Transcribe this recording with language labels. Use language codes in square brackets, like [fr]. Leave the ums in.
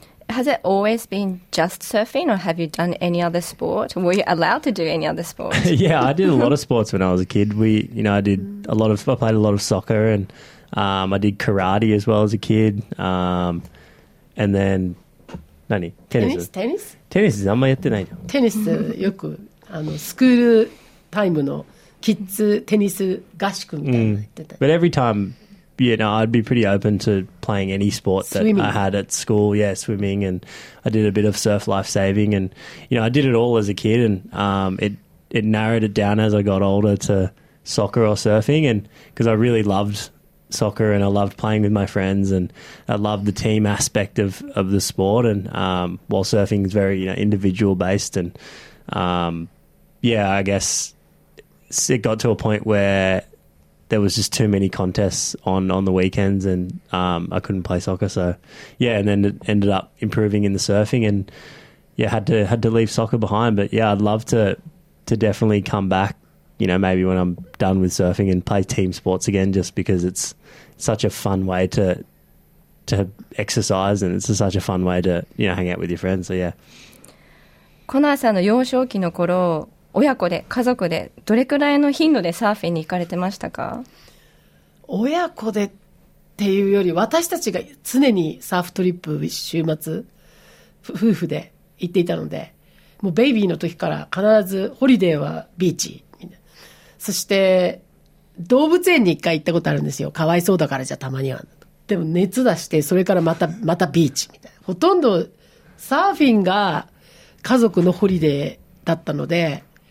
[en] Has it always been just surfing, or have you done any other sport? Were you allowed to do any other sport? yeah, I did a lot of sports when I was a kid. We, you know, I did a lot of, I played a lot of soccer and um, I did karate as well as a kid. Um, and then, [ja] 何テニス。テニステニスあんまやってないじゃん。テニスよくあのスクールタイムのキッズテニス合宿みたいなのやってた、 [en] But every time, you know, I'd be pretty open to playing any sport that Swimming. I had at school. Yeah, swimming, and I did a bit of surf life saving, and you know, I did it all as a kid, and um, it it narrowed it down as I got older to soccer or surfing, and because I really loved soccer and I loved playing with my friends and I loved the team aspect of, of the sport and um, while surfing is very you know individual based and um, yeah I guess it got to a point where there was just too many contests on on the weekends, and um, I couldn't play soccer. So yeah, and then it ended up improving in the surfing, and yeah, had to had to leave soccer behind. But yeah, I'd love to to definitely come back. You know, maybe when I'm done with surfing and play team sports again, just because it's such a fun way to to exercise, and it's such a fun way to you know hang out with your friends. So yeah. [ja] コナーさんの幼少期の頃、親子で、家族で、どれくらいの頻度でサーフィンに行かれてましたか親子でっていうより私たちが常にサーフトリップ週末ふ夫婦で行っていたのでもうベイビーの時から必ずホリデーはビーチみたいなそして動物園に一回行ったことあるんですよかわいそうだからじゃあたまにはでも熱出してそれからまたまたビーチみたいなほとんどサーフィンが家族のホリデーだったので